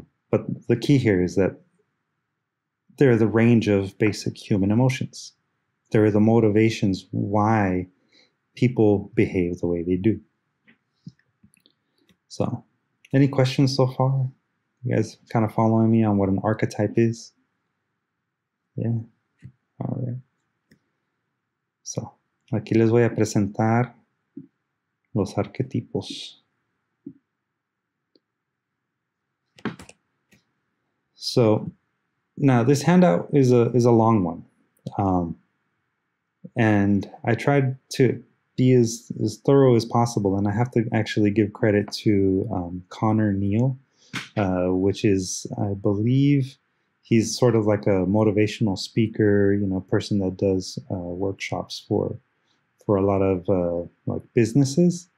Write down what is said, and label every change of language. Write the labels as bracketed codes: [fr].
[en] But the key here is that they're the range of basic human emotions. They're the motivations why people behave the way they do. So, any questions so far? You guys kind of following me on what an archetype is? Yeah, all right. [es] So, aquí les voy a presentar los arquetipos. [en] So, now this handout is a long one. And I tried to be as thorough as possible, and I have to actually give credit to Connor Neal, which is, I believe, he's sort of like a motivational speaker, you know, person that does workshops for a lot of like businesses.